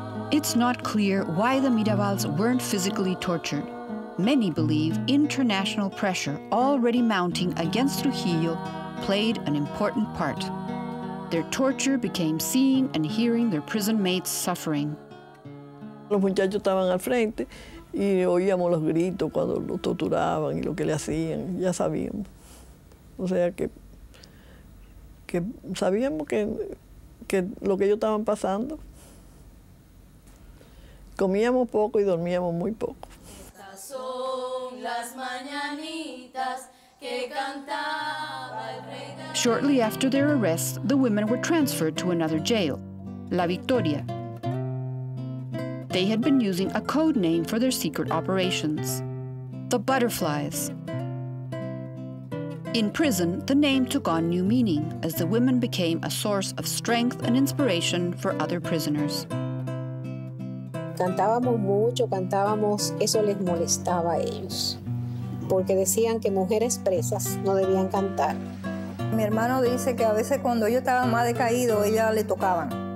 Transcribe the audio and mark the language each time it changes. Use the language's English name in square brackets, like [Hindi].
[English] It's not clear why the Mirabals weren't physically tortured. Many believe international pressure already mounting against Trujillo played an important part. Their torture became seeing and hearing their prison mates' suffering. [Spanish] Los muchachos estaban al frente y oíamos los gritos cuando lo torturaban y lo que le hacían, ya sabíamos. O sea que sabíamos que lo que ellos estaban pasando. Comíamos poco y dormíamos muy poco. Estas son las mañanitas que cantaba el rey. [English] Shortly after their arrest, the women were transferred to another jail, La Victoria. They had been using a code name for their secret operations, the Butterflies. In prison, the name took on new meaning as the women became a source of strength and inspiration for other prisoners. [Spanish] Cantábamos mucho, cantábamos, eso les molestaba a ellos, porque decían que mujeres presas no debían cantar. Mi hermano dice que a veces cuando ellos estaban más decaídos, ellas le tocaban.